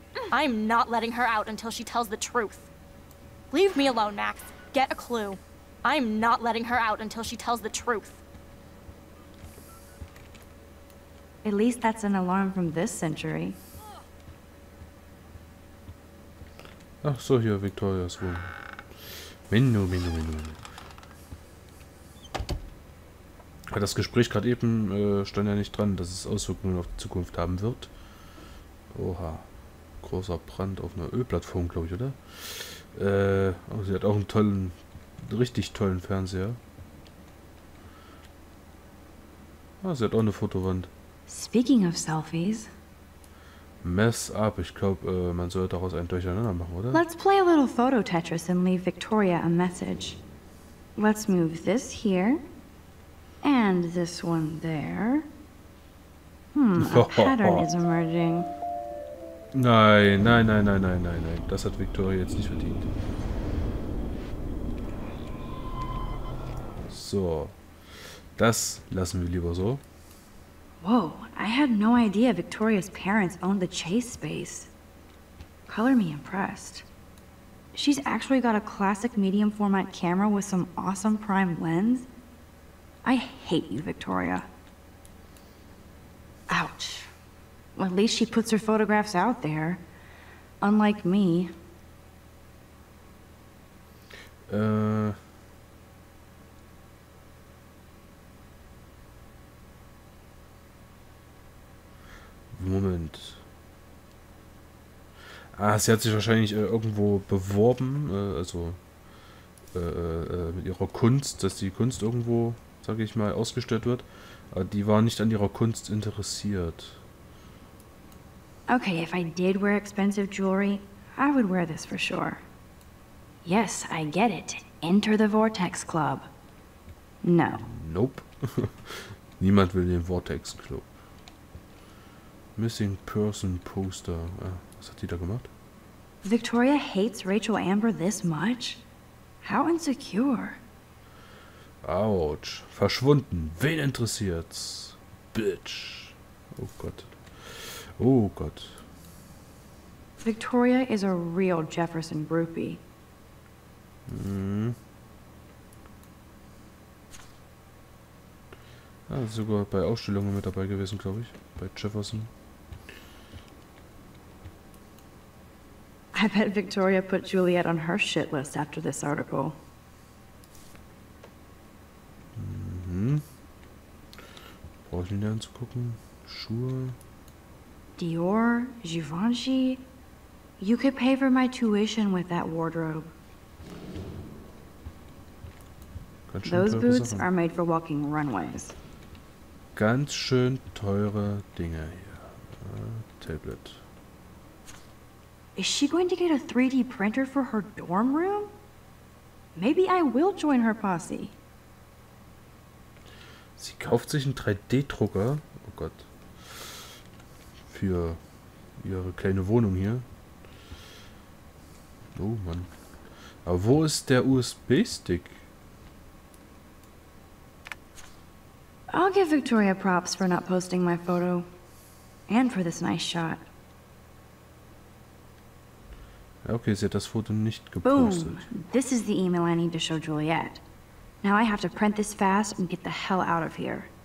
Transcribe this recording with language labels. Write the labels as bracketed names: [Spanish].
[English] I'm not letting her out until she tells the truth. Leave me alone, Max. Get a clue. I'm not letting her out until she tells the truth. At least that's an alarm from this century. [German] Ach so, hier, Victorias Wohnung. Menno. Das Gespräch gerade eben stand ja nicht dran, dass es Auswirkungen auf die Zukunft haben wird. Oha. Großer Brand auf einer Ölplattform, glaube ich, oder? Aber sie hat auch einen richtig tollen Fernseher. Ah, sie hat auch eine Fotowand. [English] Speaking of selfies. Mess up. [German] Ich glaube, man sollte daraus ein Durcheinander machen, oder? [English] Let's play a little photo Tetris and leave Victoria a message. Let's move this here and this one there. A pattern is emerging. [German] Nein. Das hat Victoria jetzt nicht verdient. So. Das lassen wir lieber so. [English] Whoa, I had no idea Victoria's parents owned the Chase space. Color me impressed. She's actually got a classic medium format camera with some awesome prime lens. I hate you, Victoria. Ouch. Well, at least she puts her photographs out there. Unlike me. [German] Moment. Ah, sie hat sich wahrscheinlich irgendwo beworben, mit ihrer Kunst, dass die Kunst irgendwo, sage ich mal, ausgestellt wird. Aber die war nicht an ihrer Kunst interessiert. [English] Okay, if I did wear expensive jewelry, I would wear this for sure. Yes, I get it. Enter the Vortex Club. No. [German] Nope. Niemand will den Vortex Club. Missing Person Poster. Ah, was hat die da gemacht? [English] Victoria hates Rachel Amber this much? How insecure. [German] Ouch. Verschwunden. Wen interessiert's? Bitch. Oh Gott. Oh Gott. [English] Victoria is a real Jefferson groupie. [German] Ja, sogar bei Ausstellungen mit dabei gewesen, glaube ich. Bei Jefferson. [English] I bet Victoria put Juliet on her shit list after this article. [German] Brauche ich ihn dir anzugucken? Schuhe. Dior, Givenchy. [English] You could pay for my tuition with that wardrobe. Those boots [German] Sachen. [English] Are made for walking runways. [German] Ganz schön teure Dinge hier. Tablet. [English] Is she going to get a 3D printer for her dorm room? Maybe I will join her posse. [German] Sie kauft sich einen 3D-Drucker. Oh Gott. Für ihre kleine Wohnung hier. Oh Mann. Aber wo ist der USB-Stick? [English] I'll give Victoria props for not posting my photo. And for this nice shot. [German] Okay, sie hat das Foto nicht gepostet. [English] Boom! This is the email I need to show Juliet. Now I have to print this fast and get the hell out of here.